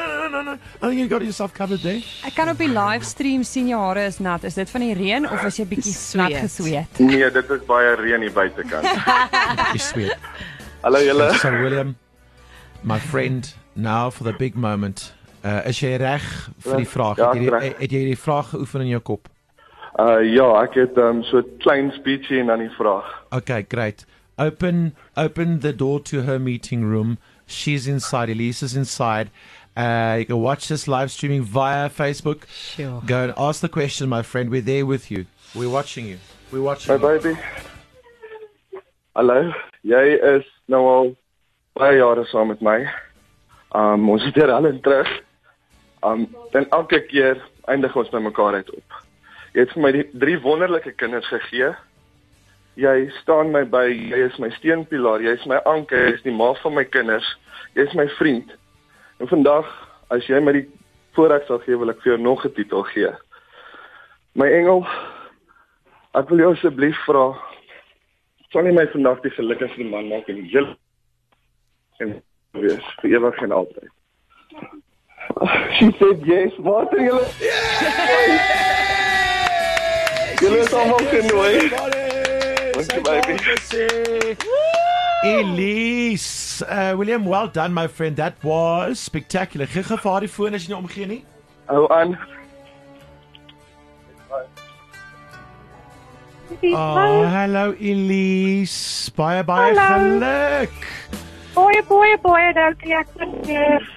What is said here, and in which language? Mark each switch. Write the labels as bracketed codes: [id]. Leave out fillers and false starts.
[en] No. I think you got yourself covered there. [af] Ek kan op die live stream sien jou hare is nat. Is dit van die reën of is jy bietjie nat gesweet? Nee, dit is baie reën hier buitekant. Jy sweet. Hallo julle. [en] So William, my friend, now for the big moment. [af] Is jy reg vir die vraag? Ja, het jy die vraag geoefen in jou kop? Ja, ek het so 'n klein speechie en dan die vraag. [en] Okay, great. Open the door to her meeting room. She's inside. Elise is inside. You can watch this live streaming via Facebook. Sure. Go and ask the question, my friend. We're there with you. We're watching you. My baby. Hallo. [af] Jy is nou al baie jare saam met my. Ons is hier al in terug. En elke keer eindig ons by mekaar uit op. Jy het vir my 3 wonderlike kinders gegee. Jy staan my by, jy is my steunpilaar, jy is my anker, jy is die ma van my kinders, jy is my vriend. En vandag, as jy my die voorreg sal gee, wil ek vir jou nog 'n titel gee. My engel, ek wil jou asseblief vra, sal jy my vandag die gelukkigste man maak in die hele en wees, vir ewig en altyd. [en] She said yes, Martin, jylle... Yay! [af] Jylle is allemaal genooi. [en] Thank you, baby. Elise, William, well done, my friend. That was spectacular. [af] Gij gevaar die foon as jy nie omgee nie? Hou aan. [en] Oh, hello, Elise. Bye. Geluk. [af] Boeie, dankie, ek vind jy.